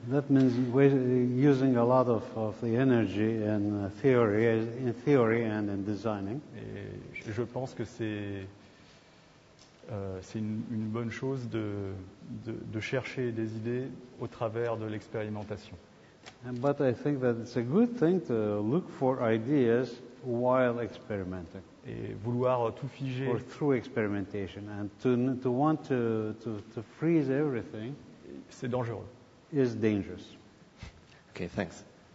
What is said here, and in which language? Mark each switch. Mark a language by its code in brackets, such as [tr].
[en] That means using a lot of the energy in theory and in designing. [fr] Et je pense que c'est une bonne chose de chercher des idées au travers de l'expérimentation. [en] But I think that it's a good thing to look for ideas while experimenting. [fr] Et vouloir tout figer. [en] Or through experimentation and to want to freeze everything. [fr] C'est dangereux. [en] Is dangerous. Okay, thanks.